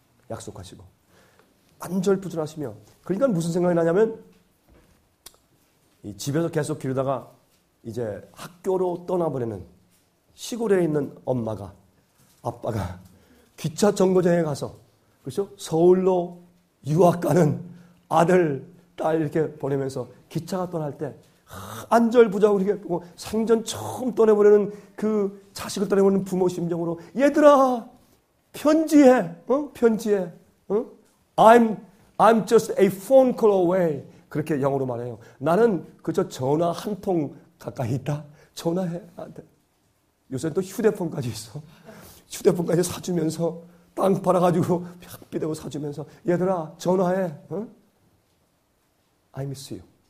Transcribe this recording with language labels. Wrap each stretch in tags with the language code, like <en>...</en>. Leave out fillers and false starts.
<ko>약속하시고 안절부절하시며 그러니까 무슨 생각이 나냐면 이 집에서 계속 기르다가 이제 학교로 떠나버리는 시골에 있는 엄마가 아빠가 기차 정거장에 가서 그렇죠? 서울로 유학 가는 아들, 딸 이렇게 보내면서 기차가 떠날 때 안절부절 이렇게 생전 처음 떠내보내는 그 자식을 떠내보내는 부모 심정으로 얘들아 편지해 어? 편지해 어?</ko> <en>I'm just a phone call away</en> <ko>그렇게 영어로 말해요. 나는 그저 전화 한 통 가까이 있다. 전화해 나한테. 요새는 또 휴대폰까지 있어. 휴대폰까지 사주면서 땅 팔아가지고 삐대고 사주면서 얘들아 전화해.</ko> <en>응? I miss you.</en>